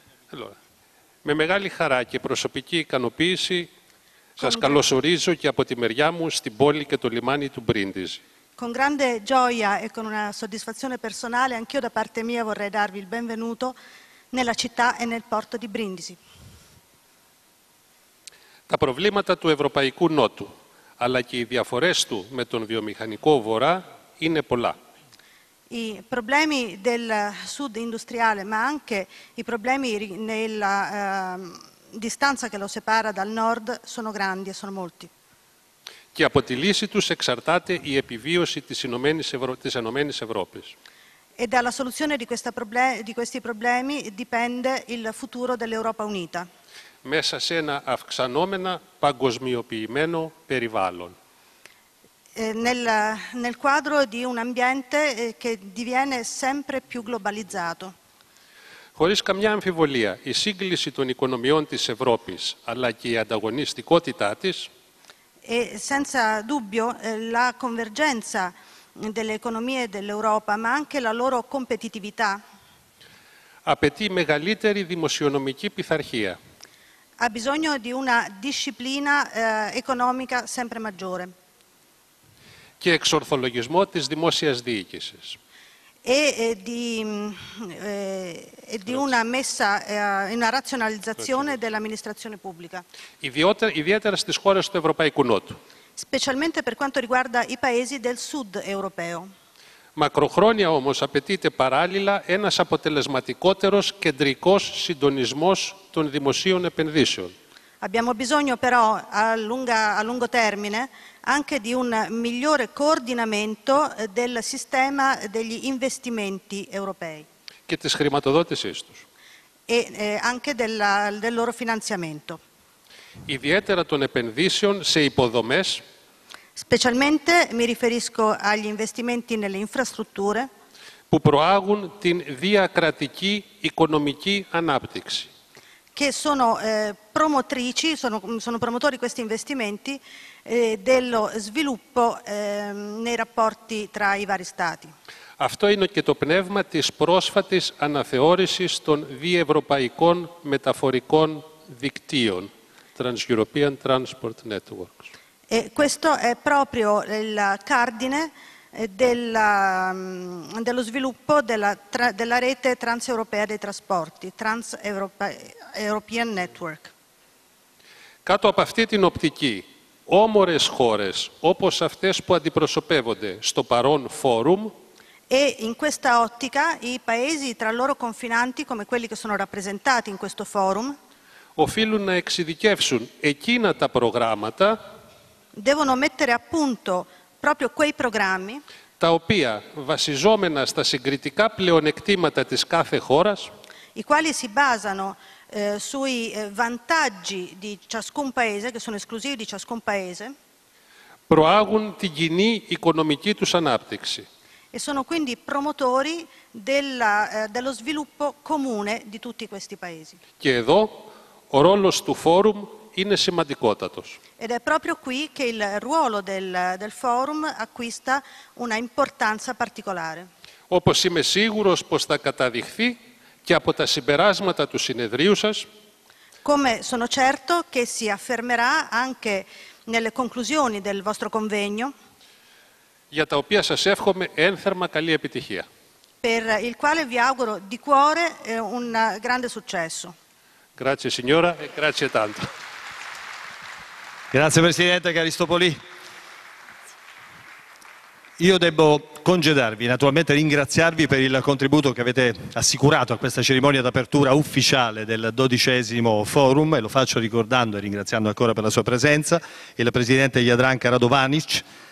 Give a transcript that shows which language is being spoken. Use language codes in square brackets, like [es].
[it] Allora, [el] με μεγάλη χαρά και προσωπική ικανοποίηση σας καλωσορίζω και από τη μεριά μου στην πόλη και το λιμάνι του Μπρίντιζη. [it] Con grande gioia e con una soddisfazione personale, anch'io da parte mia vorrei darvi il benvenuto nella città e nel porto di Brindisi. [el] Τα προβλήματα του Ευρωπαϊκού Νότου, αλλά και οι διαφορές του με τον βιομηχανικό Βορρά, είναι πολλά. [it] I problemi del sud industriale, ma anche i problemi nella distanza che lo separa dal nord, sono grandi e sono molti. [el] Και από τη λύση τους εξαρτάται η επιβίωση της Ενωμένης Ευρώπης. [it] E dalla soluzione di questi problemi dipende il futuro dell'Europa Unita. [el] Μέσα σε ένα αυξανόμενα παγκοσμιοποιημένο περιβάλλον. [it] Nel quadro di un ambiente che diviene sempre più globalizzato. [el] Χωρίς καμιά αμφιβολία, η σύγκληση των οικονομιών της Ευρώπης, αλλά και η ανταγωνιστικότητά της, [it] e senza dubbio la convergenza delle economie dell'Europa, ma anche la loro competitività, [el] απαιτεί μεγαλύτερη δημοσιονομική πειθαρχία. [it] Ha bisogno di una disciplina economica sempre maggiore. [el] Και εξορθολογισμό της δημόσιας διοίκησης. [it] Di una messa in una razionalizzazione dell'amministrazione pubblica. [el] Ιδιαίτερα στις χώρες του Ευρωπαϊκού Νότου. [it] Specialmente per quanto riguarda i paesi del sud europeo. [el] Μακροχρόνια όμως απαιτείται παράλληλα ένας αποτελεσματικότερος κεντρικός συντονισμός των δημοσίων επενδύσεων. [it] Abbiamo bisogno però a lungo termine anche di un migliore coordinamento del sistema degli investimenti europei. [el] Και της χρηματοδότησής τους. [it] Anche del loro finanziamento. [el] Ιδιαίτερα των επενδύσεων σε υποδομές. [it] Specialmente mi riferisco agli investimenti nelle infrastrutture. [el] που προάγουν την διακρατική οικονομική ανάπτυξη. [it] Che sono promotrici, sono promotori questi investimenti dello sviluppo nei rapporti tra i vari stati. [el] Αυτό είναι και το πνεύμα της πρόσφατης αναθεώρησης των διευρωπαϊκών μεταφορικών δικτύων, Trans-European Transport Networks. [it] E questo è proprio il cardine dello sviluppo della rete transeuropea dei trasporti, Trans-European Network. [el] Κάτω από αυτή την οπτική, όμορες χώρες όπως αυτές που αντιπροσωπεύονται στο παρόν φόρουμ. [it] E in questa ottica i paesi tra loro confinanti, come quelli che sono rappresentati in questo forum, [el] οφείλουν να εξειδικεύσουν εκείνα τα προγράμματα, [it] devono mettere a punto proprio quei programmi, [el] τα οποία βασιζόμενα στα συγκριτικά πλεονεκτήματα της κάθε χώρας, [it] i quali si basano sui vantaggi di ciascun paese, che sono esclusivi di ciascun paese, [el] προάγουν την κοινή οικονομική τους ανάπτυξη. [it] E sono quindi promotori dello sviluppo comune di tutti questi paesi. [el] Και εδώ ο ρόλος του φόρουμ είναι σημαντικότατος. [it] Ed è proprio qui che il ruolo del forum acquista una importanza particolare. [el] Όπως είμαι σίγουρος πως θα καταδειχθεί και από τα συμπεράσματα του συνεδρίου σας. [it] Come sono certo che si affermerà anche nelle conclusioni del vostro convegno. [el] Για τα οποία σας εύχομαι ένθερμα καλή επιτυχία. [it] Per il quale vi auguro di cuore un grande successo. Grazie signora e grazie tanto. Grazie Presidente Caristopoli. Io debbo congedarvi, naturalmente ringraziarvi per il contributo che avete assicurato a questa cerimonia d'apertura ufficiale del 12° forum e lo faccio ricordando e ringraziando ancora per la sua presenza il Presidente Jadranka Radovanic,